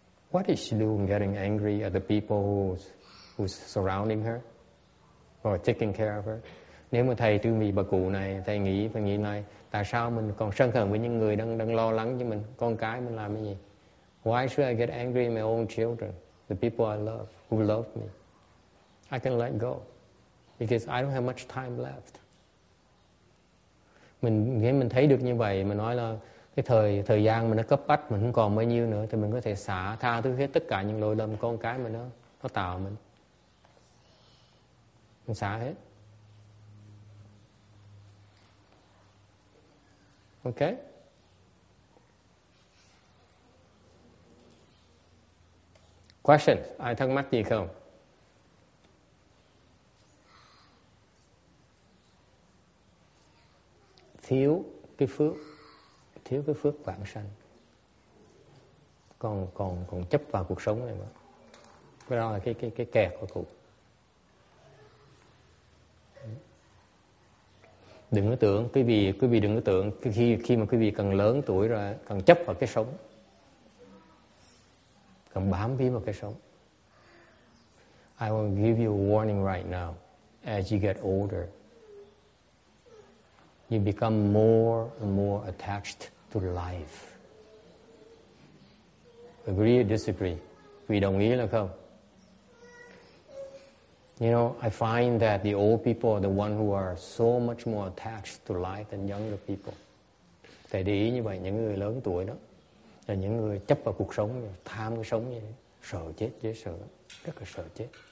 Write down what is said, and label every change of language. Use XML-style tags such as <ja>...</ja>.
<en>What is she doing getting angry at the people who's surrounding her? Or taking care of her.</en> <vi>Nếu mà thầy thương vì bà cụ này, thầy nghĩ phải nghĩ này, tại sao mình còn sân hận với những người đang lo lắng cho mình, con cái mình làm cái gì?</vi> <en>Why should I get angry at my own children, the people I love, who love me? I can let go, because I don't have much time left.</en> <vi>Mình thấy được như vậy, mình nói là cái thời gian mà nó cấp bách mình không còn bao nhiêu nữa thì mình có thể xả tha thứ hết tất cả những lỗi lầm con cái mà nó tạo mình xả hết.</vi> <en>Ok.</en> <vi>Question, ai thắc mắc gì không? Thiếu cái phước vãng sanh. Còn chấp vào cuộc sống này mà. Cái đó là cái kẹt của cụ. Đừng có tưởng quý vị đừng có tưởng khi mà quý vị càng lớn tuổi rồi càng chấp vào cái sống. Càng bám víu vào cái sống.</vi> <en>I will give you a warning right now. As you get older, you become more and more attached to life. Agree or disagree?</en> <vi>Quý đồng ý là không?</vi> <en>You know, I find that the old people are the ones who are so much more attached to life than younger people.</en> <vi>Thầy để ý như vậy, những người lớn tuổi đó là những người chấp vào cuộc sống, tham cái sống như thế, sợ chết, dễ sợ, rất là sợ chết.</vi>